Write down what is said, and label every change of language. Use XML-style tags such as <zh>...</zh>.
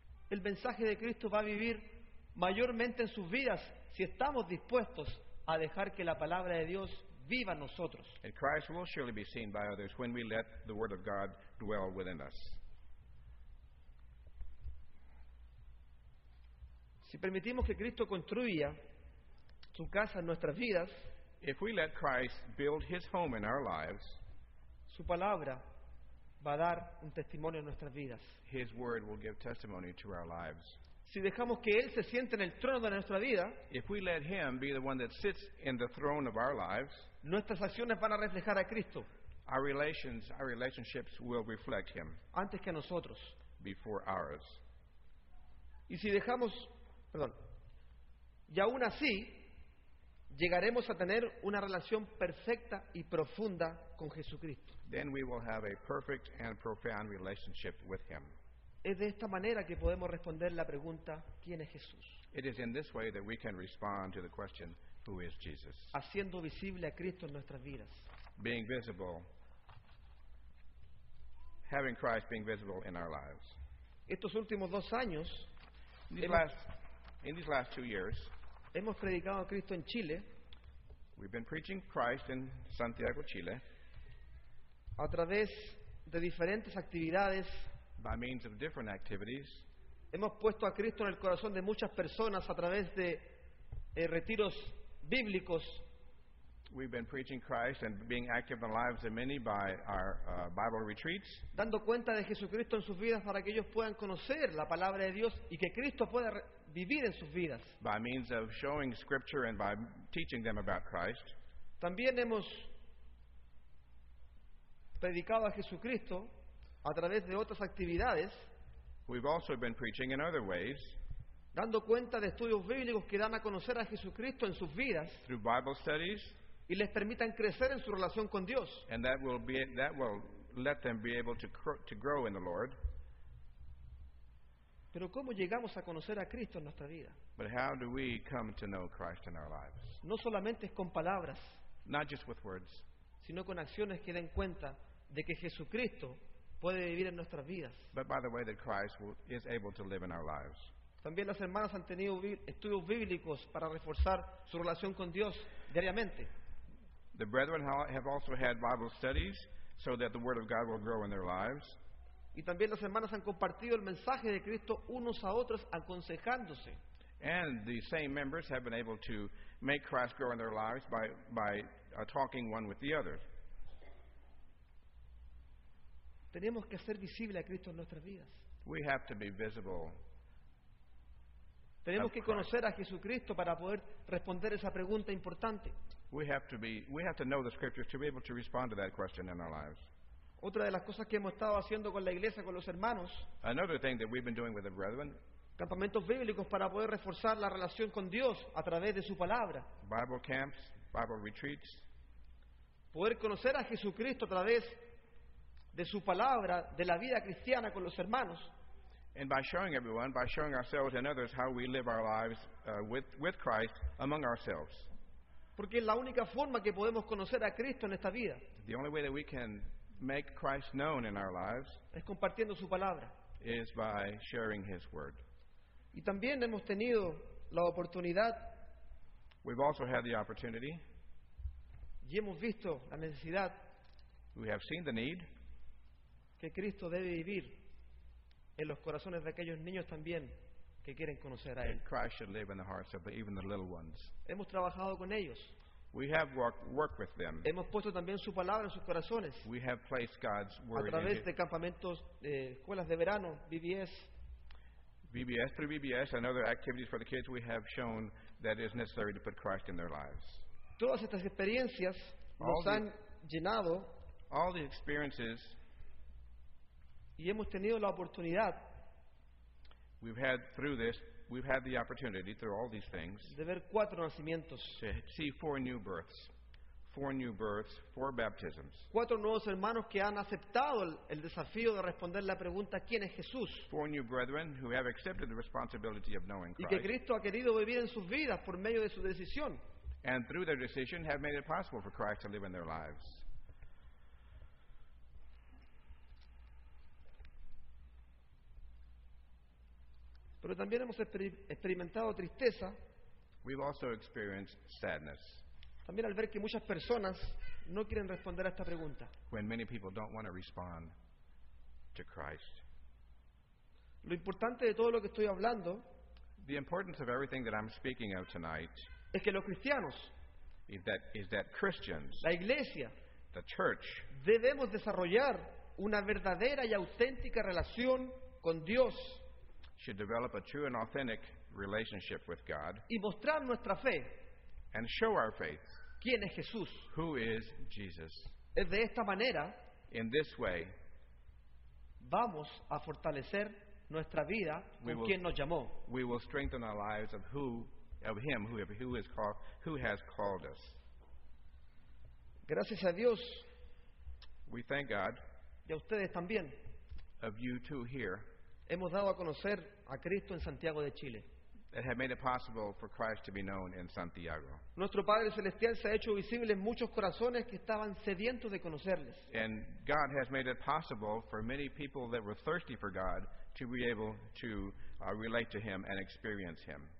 <es>El mensaje de Cristo va a vivir mayormente en sus vidas si estamos dispuestos a dejar que la palabra de Dios viva en nosotros.</es> <en>And Christ will surely be seen by others when we let the word of God dwell within us.</en> <es>Si permitimos que Cristo construya su casa en nuestras vidas,</es> <en>if we let Christ build his home in our lives,</en> <es>su palabra va a dar un testimonio en nuestras vidas.</es> <en>His word will give testimony to our lives.</en> <es>Si dejamos que Él se siente en el trono de nuestra vida,</es> <en>if we let Him be the one that sits in the throne of our lives,</en> <es>nuestras acciones van a reflejar a Cristo.</es> <en>Our relationships will reflect Him.</en> <es>Antes que nosotros.</es> <en>Before ours.</en> <es>Y si dejamos, perdón, y aún así, llegaremos a tener una relación perfecta y profunda con Jesucristo.</es> <en>Then we will have a perfect and profound relationship with Him.</en> <es>Es de esta manera que podemos responder la pregunta, ¿quién es Jesús?</es> <en>It is in this way that we can respond to the question, who is Jesus?</en> <es>Haciendo visible a Cristo en nuestras vidas.</es> <en>Being visible, having Christ being visible in our lives.</en> <es>Estos últimos dos años,</es> <en>in these last 2 years,</en> <es>hemos predicado a Cristo en Chile.</es> <en>We've been preaching Christ in Santiago, Chile.</en> <es>A través de diferentes actividades.</es> <en>By means of different activities.</en> <es>Hemos puesto a Cristo en el corazón de muchas personas a través de retiros bíblicos.</es> <en>We've been preaching Christ and being active in the lives of many by our Bible retreats.</en> <es>Dando cuenta de Jesucristo en sus vidas para que ellos puedan conocer la palabra de Dios y que Cristo pueda vivir en sus vidas.</es> <en>By means of showing scripture and by teaching them about Christ.</en> <es>También hemos predicado a Jesucristo a través de otras actividades.</es> <en>We've also been preaching in other ways.</en> <es>Dando cuenta de estudios bíblicos que dan a conocer a Jesucristo en sus vidas.</es> <en>Through Bible studies.</en> <es>Y les permitan crecer en su relación con Dios.</es> <en>And that will let them be able to grow in the Lord.</en> <es>Pero ¿cómo llegamos a conocer a Cristo en nuestra vida?</es> <en>But how do we come to know Christ in our lives?</en> <es>No solamente es con palabras.</es> <en>Not just with words.</en> <es>Sino con acciones que den cuenta de que Jesucristo puede vivir en nuestras vidas.</es> <en>But by the way that Christ is able to live in our lives.</en> <es>También las hermanas han tenido estudios bíblicos para reforzar su relación con Dios diariamente.</es> <en>The brethren have also had Bible studies so that the word of God will grow in their lives.</en> <es>Y también las hermanas han compartido el mensaje de Cristo unos a otros aconsejándose.</es> <en>And the same members have been able to make Christ grow in their lives by talking one with the other.</en> <es>Tenemos que hacer visible a Cristo en nuestras vidas.</es> <en>We have to be visible.</en> <es>Tenemos que conocer a Jesucristo para poder responder esa pregunta importante.</es> <en>We have to know the scriptures to be able to respond to that question in our lives.</en> <es>Otra de las cosas que hemos estado haciendo con la iglesia, con los hermanos.</es> <en>Another thing that we've been doing with the brethren.</en> <es>Campamentos bíblicos para poder reforzar la relación con Dios a través de su palabra.</es> <en>Bible camps, Bible retreats.</en> <es>poder conocer a Jesucristo a través de su palabra, de la vida cristiana con los hermanos.</es> <en>And by showing everyone, by showing ourselves and others how we live our lives with Christ among ourselves.</en> <es>Porque es la única forma que podemos conocer a Cristo en esta vida.</es> <en>The only way that we can make Christ known in our lives</en> <es>es compartiendo su palabra.</es> <en>Is by sharing His word.</en> <es>Y también hemos tenido la oportunidad.</es> <en>We've also had the opportunity.</en> <es>Y hemos visto la necesidad.</es> <en>We have seen the need.</en> <es>Que Cristo debe vivir en los corazones de aquellos niños también que quieren conocer a Él.</es> <en>Christ should live in the hearts of even the little ones.</en> <es>Hemos trabajado con ellos.</es> <en>We have worked with them.</en> <es>Hemos puesto también su palabra en sus corazones.</es> <en>We have placed God's word</en> <es>a través de campamentos, escuelas de verano, VBS.</es> <en>VBS, through VBS and other activities for the kids, we have shown that it is necessary to put Christ in their lives.</en> <es>Todas estas experiencias nos han llenado.</es> <en>All the experiences.</en> <es>Y hemos tenido la oportunidad.</es> <en>We've had through this, we've had the opportunity through all these things.</en> <es>De ver cuatro nacimientos.</es> <en>To see four new births. Four new births, four baptisms.</en> <es>Cuatro nuevos hermanos que han aceptado el desafío de responder la pregunta ¿quién es Jesús?</es> <en>Four new brethren who have accepted the responsibility of knowing Christ.</en> <es>Y que Cristo ha querido vivir en sus vidas por medio de su decisión.</es> <en>And through their decision have made it possible for Christ to live in their lives.</en> <es>Pero también hemos experimentado tristeza.</es> <en>We've also experienced sadness.</en> <es>También al ver que muchas personas no quieren responder a esta pregunta.</es> <en>When many people don't want to respond to Christ.</en> <es>Lo importante de todo lo que estoy hablando.</es> <en>The importance of everything that I'm speaking of tonight.</en> <es>Es que los cristianos.</es> <en>Is that Christians.</en> <es>La iglesia.</es> <en>The church.</en> <es>Debemos desarrollar una verdadera y auténtica relación con Dios.</es> <en>Should develop a true and authentic relationship with God.</en> <es>Y mostrar nuestra fe.</es> <en>And show our faith.</en> <es>¿Quién es Jesús?</es> <en>Who is Jesus?</en> <es>Es de esta manera.</es> <en>In this way.</en> <es>Vamos a fortalecer nuestra vida con quien nos llamó.</es> <en>We will strengthen our lives who has called us.</en> <es>Gracias a Dios.</es> <en>We thank God.</en> <es>Y a ustedes también.</es> <en>Of you too here.</en> <es>Hemos dado a conocer a Cristo en Santiago de Chile.</es> <en>It had made it possible for Christ to be known in Santiago.</en> <es>Nuestro Padre Celestial se ha hecho visible en muchos corazones que estaban sedientos de conocerles.</es> <en>And God has made it possible for many people that were thirsty for God to be able to relate to Him and experience Him.</en>